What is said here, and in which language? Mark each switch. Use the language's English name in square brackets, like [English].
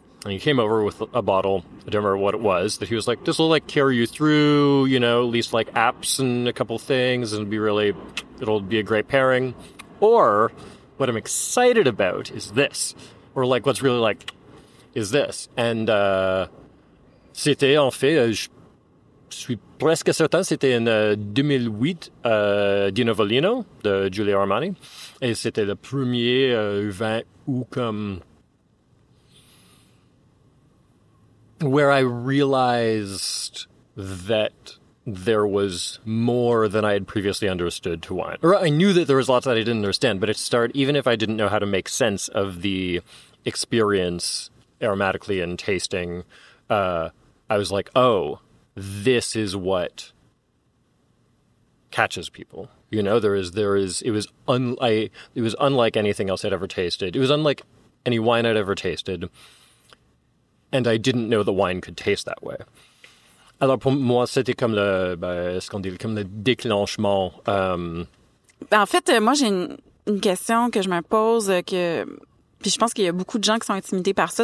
[English] And he came over with a bottle. I don't remember what it was, that he was like, this will like carry you through, you know, at least like apps and a couple things, and it'll be a great pairing. Or what I'm excited about is this, or like what's really like is this. [French] And c'était en fait, je suis presque certain, c'était en 2008, Dino Valino, de Giulio Armani. Et c'était le premier vin où comme... [English] where I realized that there was more than I had previously understood to wine. Or I knew that there was lots that I didn't understand, but it started, even if I didn't know how to make sense of the experience aromatically and tasting, I was like, oh, this is what catches people. You know, it was unlike anything else I'd ever tasted. It was unlike any wine I'd ever tasted. And I didn't know the wine could taste that way. [French] Alors pour moi, c'était comme le, ce qu'on dit, comme le déclenchement. En fait, moi, j'ai une question que je me pose, que puis je pense qu'il y a beaucoup de gens qui sont intimidés par ça.